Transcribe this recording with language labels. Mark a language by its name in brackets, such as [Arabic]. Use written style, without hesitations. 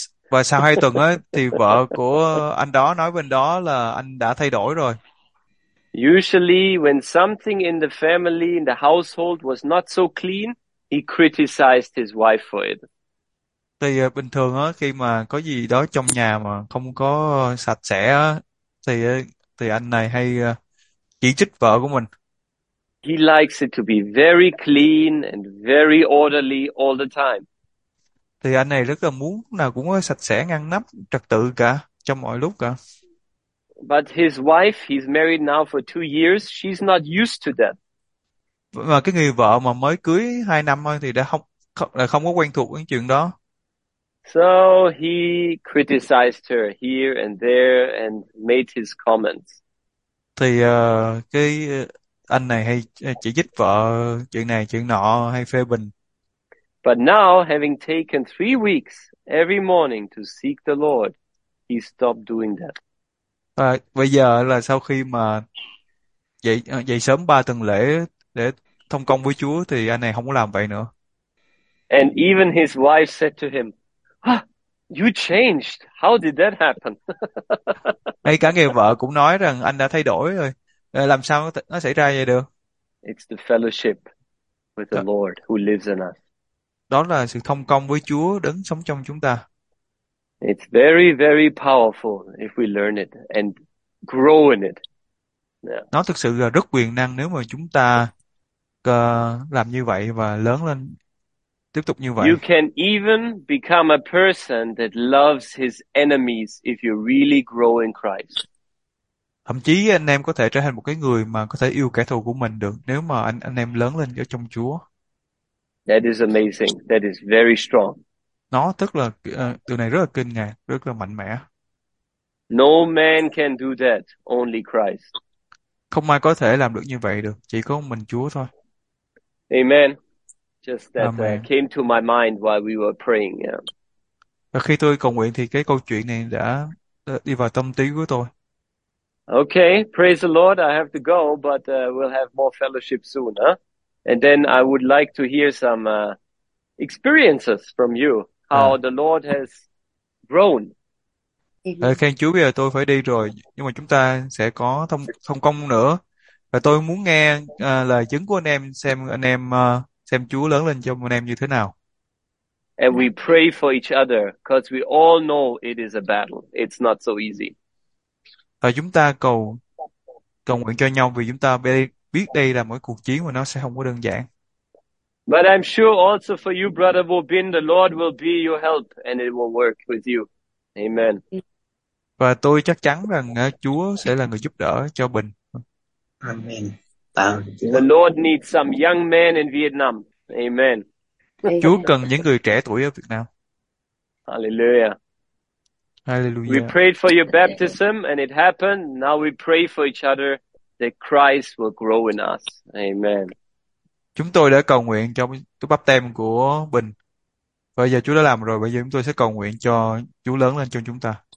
[Vietnamese] Và sau 2 tuần ấy, thì vợ của anh đó nói bên đó là anh đã thay đổi rồi. [English] Usually, when something in the family, in the household was not so clean, he criticized his wife for it. [Vietnamese] Thì bình thường á, khi mà có gì đó trong nhà mà không có sạch sẽ á, thì anh này hay chỉ chỉ trích vợ của mình. [English] He likes it to be very clean and very orderly all the time. [Vietnamese] Thì anh này rất là muốn nào cũng có sạch sẽ, ngăn nắp, trật tự cả trong mọi lúc cả. [English] But his wife, he's married now for 2 years, she's not used to that. [Vietnamese] Mà cái người vợ mà mới cưới 2 năm thôi thì đã không là không có quen thuộc với chuyện đó. [English] So he criticized her here and there and made his comments. [Vietnamese] Thì cái anh này hay chỉ trích vợ chuyện này chuyện nọ hay phê bình. [English] But now, having taken 3 weeks every morning to seek the Lord, he stopped doing that. [Vietnamese] À, bây giờ là sau khi mà dậy dậy sớm 3 tuần lễ để thông công với Chúa thì anh này không có làm vậy nữa. [English] And even his wife said to him, you changed. How did that [Vietnamese] Ngay cả người [English] happen? [Vietnamese] vợ cũng nói rằng anh đã thay đổi rồi. Làm sao nó xảy ra vậy được? [English] It's the fellowship with the Lord who lives in us. [Vietnamese] Đó là sự thông công với Chúa đấng sống trong chúng ta. [English] It's very, very powerful if we learn it and grow in it. [Vietnamese] Nó thực sự là rất quyền năng nếu mà chúng ta làm như vậy và lớn lên tiếp tục như vậy. [English] You can even become a person that loves his enemies if you really grow in Christ. [Vietnamese] Thậm chí anh em có thể trở thành một cái người mà có thể yêu kẻ thù của mình được nếu mà anh em lớn lên ở trong Chúa. [English] That is amazing. That is very strong. [Vietnamese] Nó tức là điều này rất là kinh ngạc, rất là mạnh mẽ. [English] No man can do that, only Christ. [Vietnamese] Không ai có thể làm được như vậy được, chỉ có mình Chúa thôi. [English] Amen. Just that Amen. came to my mind while we were praying. [Vietnamese] Và khi tôi cầu nguyện thì cái câu chuyện này đã đi vào tâm trí của tôi. [English] Okay, praise the Lord. I have to go, but we'll have more fellowship soon, huh? And then I would like to hear some experiences from you, how the Lord has grown. [Vietnamese] Khen Chúa, bây giờ tôi phải đi rồi, nhưng mà chúng ta sẽ có thông thông công nữa, và tôi muốn nghe lời chứng của anh em xem Chúa lớn lên trong anh em như thế nào. [English] And we pray for each other because we all know it is a battle. It's not so easy. [Vietnamese] Và chúng ta cầu cầu nguyện cho nhau vì chúng ta biết đây là một cuộc chiến mà nó sẽ không có đơn giản. [English] Sure also for you, Brother Bobin, the Lord will be your help and it will work with you. Amen. [Vietnamese] Và tôi chắc chắn rằng Chúa sẽ là người giúp đỡ cho Bình. [English] Amen. Tạ The Lord needs some young men in Vietnam. Amen. [Vietnamese] Chúa cần những người trẻ tuổi ở Việt Nam. [English] Hallelujah. We Hallelujah. prayed for your baptism and it happened. Now we pray for each other that Christ will grow in us. Amen. [Vietnamese] Chúng tôi đã cầu nguyện cho cái báp têm của Bình. Và giờ Chúa đã làm rồi, bây giờ chúng tôi sẽ cầu nguyện cho Chúa lớn lên trong chúng ta.